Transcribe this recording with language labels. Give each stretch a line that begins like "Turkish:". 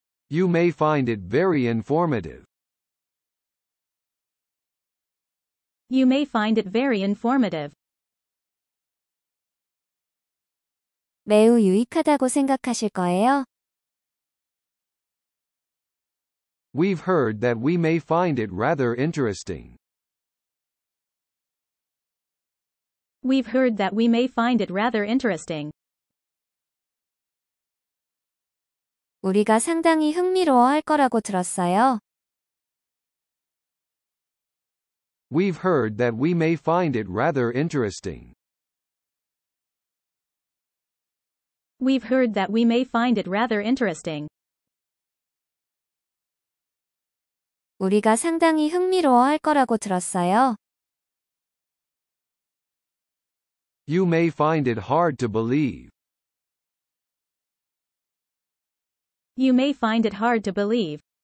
English: You may find it very informative. You may find it very informative.
Korean: 매우 유익하다고 생각하실 거예요.
English: We've heard that we may find it rather interesting. We've heard that we may find it rather interesting.
Korean: 우리가 상당히 흥미로워할 거라고 들었어요.
English: We've heard that we may find it rather interesting. We've heard that we may find it rather interesting.
Korean: 우리가 상당히 흥미로워할 거라고 들었어요.
English: You may find it hard to believe. You may find it hard to believe.